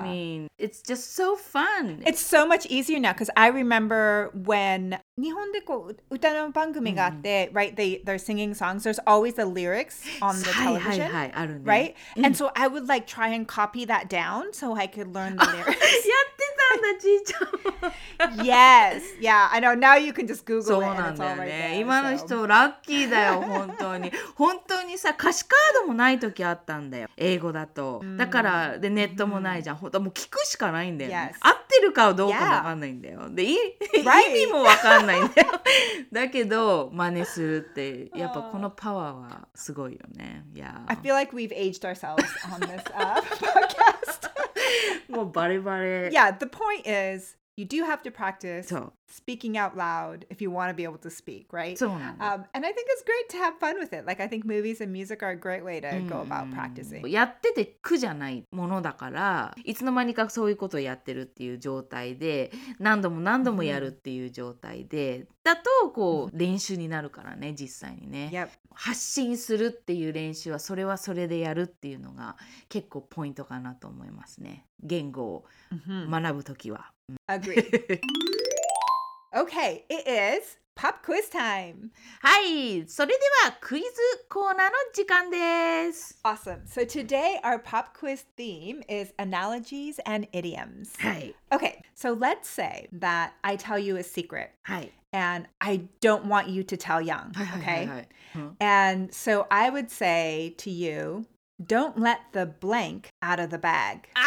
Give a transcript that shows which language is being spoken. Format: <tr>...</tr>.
<en>I mean, it's just so fun. It's so much easier now because I remember when</en> <ja>日本でこう歌の番組があって、</ja> <en>right? They're singing songs. There's always the lyrics on the television.</en> <ja>はいはいはい、あるね。</ja> <en>Right? And so I would like try and copy that down so I could learn the lyrics.</en> <ja>やってたんだ、じいちゃん。</ja> <en>Yes. Yeah, I know. Now you can just Google it.</en> <ja>そうなんだよね。今の人ラッキーだよ、本当に。本当にさ、歌詞カードもない時あったんだよ、英語だと。だから、でネットもないじゃん。本当、もう聞くしかないんだよ、ね。</ja> <en>Yes.</en> <ja>合ってるかどうかも分かんないんだよ。で、意味も分かんないんだよ。だけど、真似するって、やっぱこのパワーはすごいよね。</ja> <en>Yeah. I feel like we've aged ourselves on this podcast.</en> <ja>もうバレバレ。</ja> <en>Yeah, the point is... You do have to practice speaking out loud if you want to be able to speak, right?</en> <ja>そうなんだ。</ja> <en>And I think it's great to have fun with it. Like, I think movies and music are a great way to go about practicing.</en> <ja>やってて苦じゃないものだから、いつの間にかそういうことをやってるっていう状態で、何度も何度もやるっていう状態で、だとこう練習になるからね、実際にね。</ja> <en>Yep.</en> <ja>発信するっていう練習はそれはそれでやるっていうのが結構ポイントかなと思いますね。言語を学ぶときは。</ja> <en>Agreed. Okay, it is pop quiz time.</en> <ja>はい、それではクイズコーナーの時間です。</ja> <en>Awesome. So today our pop quiz theme is analogies and idioms.</en> <ja>はい。</ja> <en>Okay, so let's say that I tell you a secret.</en> <ja>はい。</ja> <en>And I don't want you to tell Young.</en> <ja>はいはいはい、はい、</ja> <en>okay? Huh? And so I would say to you... Don't let the blank out of the bag.</en>